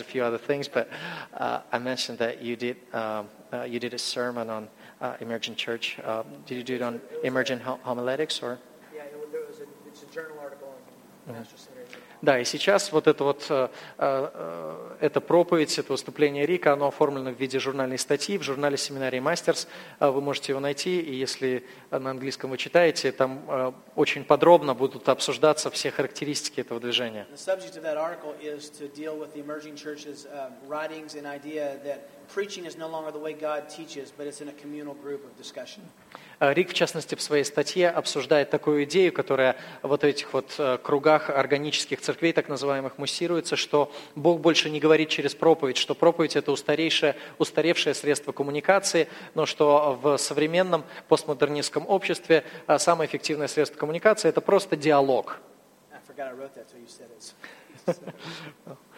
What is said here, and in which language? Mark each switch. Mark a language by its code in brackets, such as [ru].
[en] a few other things, but I mentioned that you did a sermon on emergent church. Did you do it on emergent homiletics or? Yeah, it's a journal article on Master's. [ru] Да, и сейчас вот это вот это проповедь, это выступление Рика, оно оформлено в виде журнальной статьи в журнале семинарии Masters. Вы можете его найти, и если на английском вы читаете, там очень подробно будут обсуждаться все характеристики этого движения. [en] The subject of that article is to deal with the emerging church's writings and idea that preaching is no longer the way God teaches, but it's in a communal group of discussion. [ru] Рик, в частности, в своей статье обсуждает такую идею, которая вот в этих вот кругах органических церквей, так называемых, муссируется, что Бог больше не говорит через проповедь, что проповедь – это устаревшее средство коммуникации, но что в современном постмодернистском обществе самое эффективное средство коммуникации – это просто диалог. [en] I forgot I wrote that till you said it.